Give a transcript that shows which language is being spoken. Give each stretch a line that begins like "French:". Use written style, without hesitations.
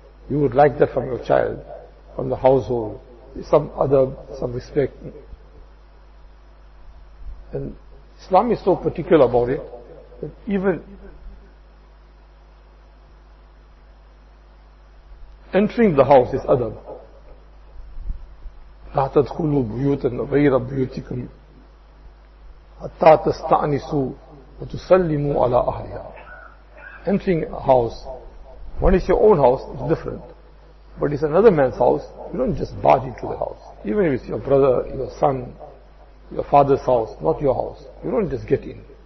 English: You would like that from your child, from the household, some adab, some respect. And Islam is so particular about it that even entering the house is adab.
Arabic: لا تدخلوا بيوتا غير بيوتكم حتى تستأنسوا وتسلموا على أهلها.
English: Entering a house, when it's your own house, it's different. But it's another man's house, you don't just barge into the house. Even if it's your brother, your son, your father's house, not your house, you don't just get in.